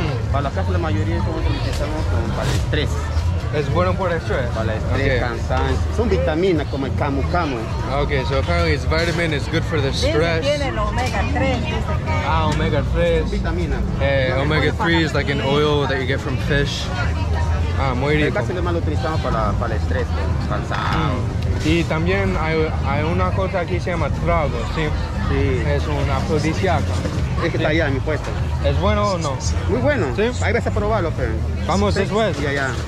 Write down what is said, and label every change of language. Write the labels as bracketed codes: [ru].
[es] Para la casa, la mayoría es como utilizamos para el estrés. Es bueno por el estrés. Para el estrés, okay. Cansancio. Son vitaminas como el camu camu. [en] Okay, so apparently it's vitamin, it's good for the stress. [es] Dice, tiene el omega 3, dice que. Ah, omega 3. Vitamina. [en] Omega 3 is like an oil that you get from fish. [es] Ah, muy rico. En caso de mal utilizamos para el estrés, cansado. Y también hay una cosa aquí que se llama trago, ¿sí? Sí. Es un afrodisíaco. Es que está allá en mi puesto. ¿Es bueno o no? Muy bueno. ¿Sí? Ahí vas a probarlo, pero. Vamos después. Ya.